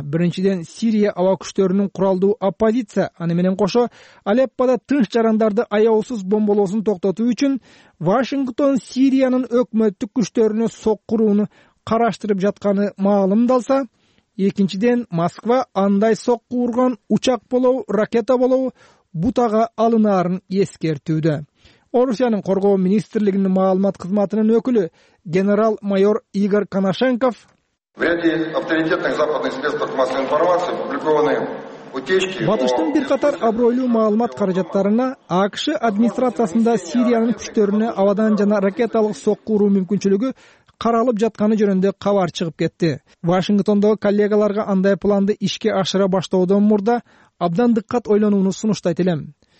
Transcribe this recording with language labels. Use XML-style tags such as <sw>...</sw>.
<ky>Биринчиден, Сирия аба күчтөрүнүн куралдуу оппозиция, аны менен кошо Алеппода тынч жарандарды аяусуз бомболоосун токтотуу үчүн Вашингтон Сириянын өкмөттүк күчтөрүнө соккурууну караштырып жатканы маалымдалса, экинчиден Москва андай соккуурган учак болобу, ракета болобу бутага алынаарын эскертүүдө. Орусиянын коргоо министрлигинин маалымат кызматынын өкүлү генерал-майор Игорь Коношенков:</ky> <ru>В ряде авторитетных западных средств массовой информации опубликованы утечки.</ru> <ky>Батыштын бир катар абройлуу маалымат каражаттарына АКШ администрациясында Сириянын күчтөрүнө абадан жана ракеталык соккуруу мүмкүнчүлүгү каралып жатканы жөнүндө кабар чыгып кетти. Вашингтондогу коллегаларга андай планды ишке ашыра баштоодон мурда абдан диккат ойлонууну сунуштайт элем.</ky>